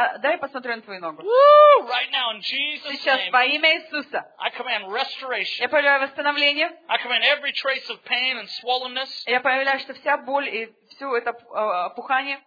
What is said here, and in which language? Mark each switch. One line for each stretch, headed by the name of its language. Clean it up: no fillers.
Russian: Дай посмотрю на твою ногу.
English: Woo! Right now, in Jesus' name.
Russian: Сейчас во имя Иисуса.
English: I command restoration.
Russian: Я повелеваю восстановление.
English: I command every trace of pain and swollenness.
Russian: Я повелеваю, что вся боль и все это опухание.